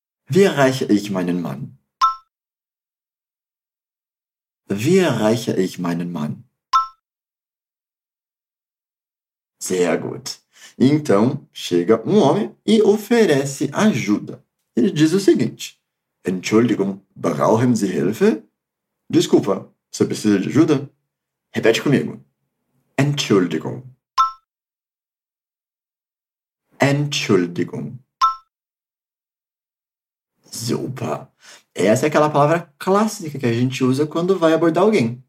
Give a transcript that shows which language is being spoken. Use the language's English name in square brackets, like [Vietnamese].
[German] Wie erreiche ich meinen Mann? Wie erreiche ich meinen Mann? Sehr gut. [Portuguese] Então, chega homem e oferece ajuda. Ele diz o seguinte. [German] Entschuldigung, brauchen Sie Hilfe? [Portuguese] Desculpa, você precisa de ajuda? Repete comigo. Entschuldigung. [German] Entschuldigung. Super. [Portuguese] Essa é aquela palavra clássica que a gente usa quando vai abordar alguém.